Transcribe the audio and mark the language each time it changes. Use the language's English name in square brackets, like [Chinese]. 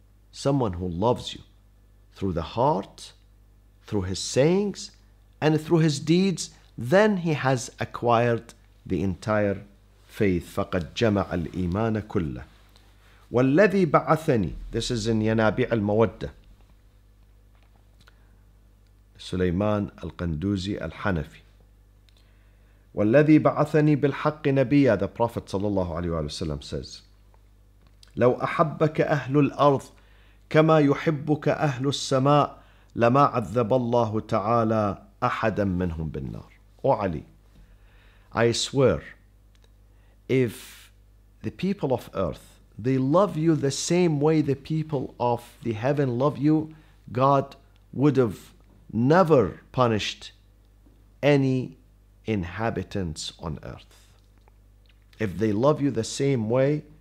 [English] Someone who loves you through the heart, through his sayings, and through his deeds, then he has acquired the entire faith. [Arabic] فقد جمع الإيمان كله. والذي بعثني. [English] This is in ينابيع المودة. [Arabic] سليمان القندوزي الحنفي. والذي بعثني بالحق نبيا. [English] The Prophet [Arabic] صلى الله عليه وسلم [English] says, [Arabic] لو أحبك أهل الأرض كما يحبك أهل السماء لما عذب الله تعالى أحدا منهم بالنار. أو علي, [English] I swear, if the people of earth, they love you the same way the people of the heaven love you, God would have never punished any inhabitants on earth. If they love you the same way,